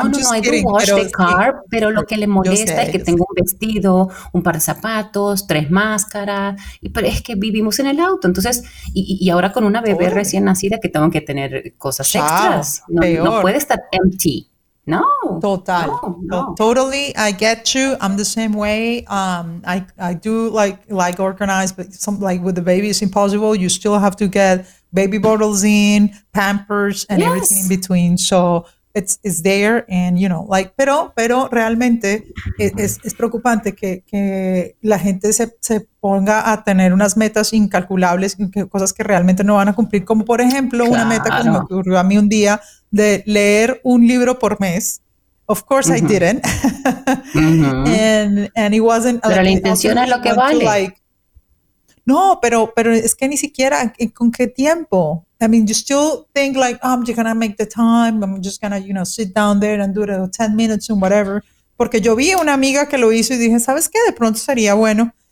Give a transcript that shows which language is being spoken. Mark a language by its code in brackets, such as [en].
[en] I do wash the car, [es] pero lo que le molesta es que tengo un vestido, un par de zapatos, tres máscaras, pero es que vivimos en el auto, entonces, y ahora con una bebé recién nacida que tengo que tener cosas extras, no puede estar empty, no. [en] Total, totally, I get you, I'm the same way, I do like organize, but some, like with the baby it's impossible, you still have to get baby bottles in, Pampers, and everything in between, so... It's there and, you know, like, [es] pero realmente es preocupante que la gente se ponga a tener unas metas incalculables, cosas que realmente no van a cumplir, como por ejemplo una meta que se me ocurrió a mí un día de leer un libro por mes. [en] Of course I didn't. And it wasn't. [es] Pero la intención es lo que vale. No, pero es que ni siquiera, ¿con qué tiempo? [en] I mean, you still think like, oh, I'm just going to make the time, I'm just going to, you know, sit down there and do it 10 minutes and whatever. [es] Porque yo vi a una amiga que lo hizo y dije, ¿sabes qué? De pronto sería bueno.